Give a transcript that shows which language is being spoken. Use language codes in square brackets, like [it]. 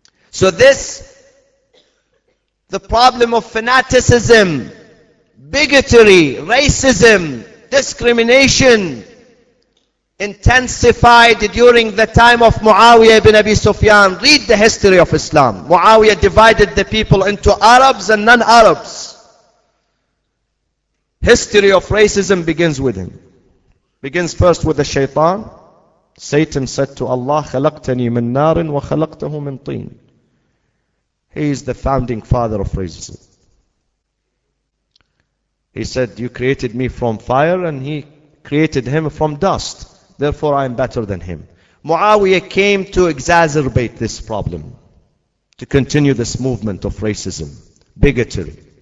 [en] So this, the problem of fanaticism, bigotry, racism, discrimination, intensified during the time of Muawiyah ibn Abi Sufyan. Read the history of Islam. Muawiyah divided the people into Arabs and non-Arabs. History of racism begins with him. Begins first with the shaitan. Satan said to Allah, [ar] خَلَقْتَنِي مِن نَارٍ وَخَلَقْتَهُ مِن طِينٍ. [en] He is the founding father of racism. He said, you created me from fire, and he created him from dust. Therefore, I am better than him. Muawiyah came to exacerbate this problem, to continue this movement of racism, bigotry.